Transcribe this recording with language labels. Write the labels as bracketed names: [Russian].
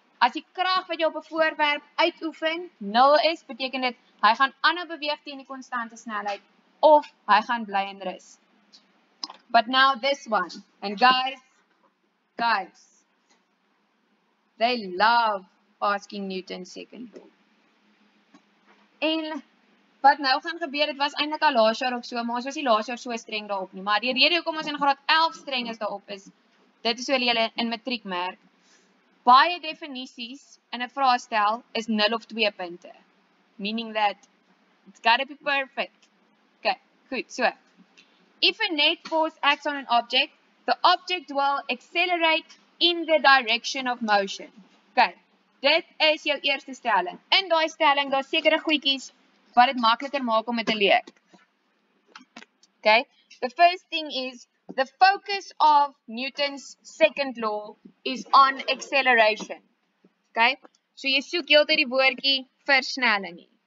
[Afrikaans] As die krag wat jy op 'n voorwerp uitoefen 0 is, beteken dit hy gaan aanhou beweeg teen die konstante snelheid of hy gaan bly in rus. [English] But now this one. And guys, they love asking Newton's second law. [Afrikaans] En wat nou gaan gebeur, dit was eintlik al laas jaar op so, maar ons was nie laas jaar so streng daarop nie, maar die rede hoekom ons in graad 11 streng is daarop is dit is hoe hulle in matriek merk. Baie definisies in 'n vraestel is 0 of 2 punte. [English] Meaning that it's got to be perfect. Okay, goed, so if a net force acts on an object, the object will accelerate in the direction of motion. Okay. [Afrikaans] Dit is jou eerste stelling. In daai stelling daar sekere goedjies wat dit makliker maak om dit te leer. [English] Okay? The first thing is the focus of Newton's second law is on acceleration. Okay? [Afrikaans] So jy soek heeltyd die woordjie versnelling.